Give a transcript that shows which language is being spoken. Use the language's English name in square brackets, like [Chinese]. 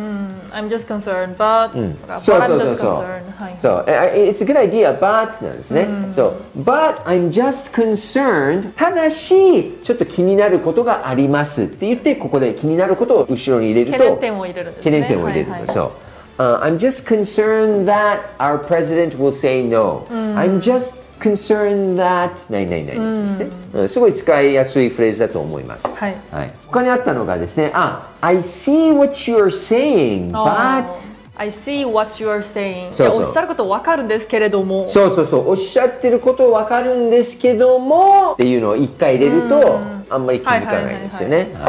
[English] うん、I'm just concerned, but,、 [Japanese] うん、 [English] but I'm just concerned. [Japanese] そうそうそう、はい、 [English] so, it's a good idea, but [Japanese] なんですね。 [English] So, but I'm just concerned. [Japanese] ただしちょっと気になることがあります。って言ってここで気になることを後ろに入れると懸念点を入れるんですね。 [English] I'm just concerned that our president will say no、 [Japanese] うん、 [English] I'm just concerned that [Japanese] ないないない、うん、すごい使いやすいフレーズだと思います、はいはい、他にあったのがですねあ [English] I see what you're saying、oh. but I see what you are saying. [Japanese] そうそういや、おっしゃること分かるんですけれども。そうそうそう。おっしゃってること分かるんですけどもっていうのを一回入れると、あんまり気づかないですよね。